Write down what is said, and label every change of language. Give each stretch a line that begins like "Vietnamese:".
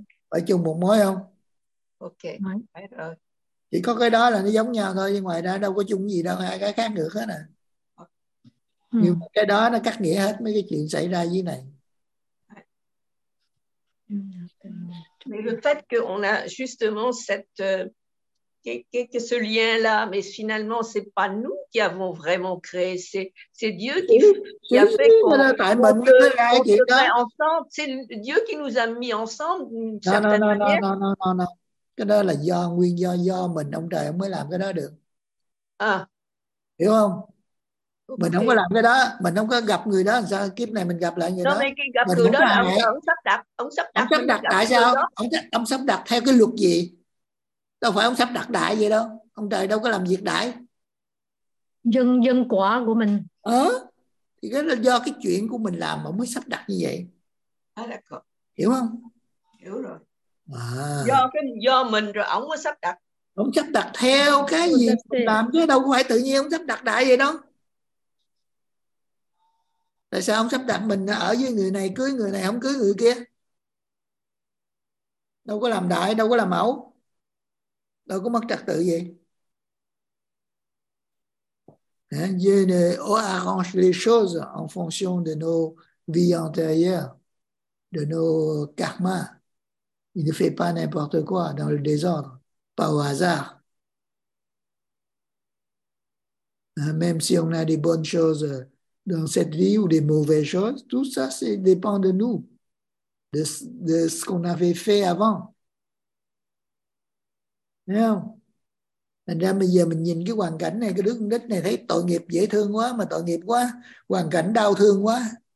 Vietnamese: Phải chung một mối không? Ok, phải rồi. Chỉ có cái đó là nó giống nhau thôi, nhưng ngoài ra đâu có chung gì đâu, hai cái khác được hết nè. Nhưng mà cái đó nó cắt nghĩa hết mấy cái chuyện xảy ra như này.
French: Mais le fait qu'on a justement cette ce lien là, mais finalement c'est pas nous qui avons vraiment créé, c'est Dieu qui a fait qu'on se mette ensemble. C'est Dieu qui nous a mis ensemble d'une certaine manière.
Vietnamese: Cái đó là do nguyên do mình, ông trời mới làm cái đó được. À. Hiểu không? Okay. Mình không có làm cái đó, mình không có gặp người đó, làm sao kiếp này mình gặp lại người đó. Sau này khi gặp mình người đó là ông sắp đặt. Ông sắp đặt tại sao? Ông sắp đặt theo cái luật gì? Đâu phải ông sắp đặt đại vậy đâu. Ông trời đâu có làm việc đại. Dân quả của mình. Ờ? Thì cái là do cái chuyện của mình làm mà mới sắp đặt như vậy. Hiểu không? Hiểu rồi. À. Do mình rồi, ổng mới sắp đặt. Ổng sắp đặt theo cái gì làm chứ đâu phải tự nhiên ổng sắp đặt đại vậy đâu. Tại sao ổng sắp đặt mình ở với người này, cưới người này, không cưới người kia? Đâu có làm đại, đâu có làm mẫu, đâu có mất trật tự gì.
French: Dieu ne arrange les choses en fonction de nos vies antérieures, de nos karmas. Il ne fait pas n'importe quoi dans le désordre, pas au hasard. Même si on a des bonnes choses dans cette vie ou des mauvaises choses, tout ça dépend de nous, de ce qu'on avait fait avant.
Vietnamese: Thành ra bây giờ mình nhìn cái hoàn cảnh này, cái đứa con nít này thấy tội nghiệp dễ thương quá, mà tội nghiệp quá, hoàn cảnh đau thương quá.